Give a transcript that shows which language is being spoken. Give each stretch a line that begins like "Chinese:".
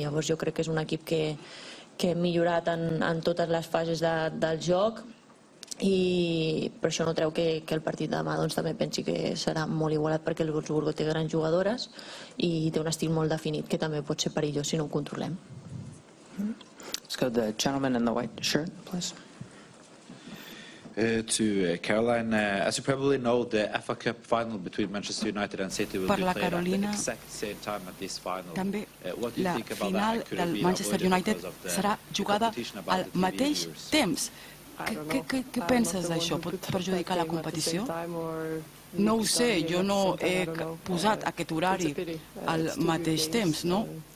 Catalan: Llavors jo crec que és un equip que hem millorat en totes les fases del joc i per això no treu que el partit de demà doncs, també pensi que serà molt igualat perquè el Wolfsburgo té grans jugadores i té un estil molt definit que també pot ser perillós si no ho controlem.
English: Let's go to the gentleman in the white shirt, please. To Caroline, as you probably know, the FA Cup final between Manchester United and City will be played Carolina, at the exact same time at this final.
Catalan: També
English: what do you think about final that?
Catalan: Del Manchester United serà jugada al mateix temps. Què penses d'això? Pot perjudicar la competició? No ho sé, jo no he posat aquest horari al mateix temps, no?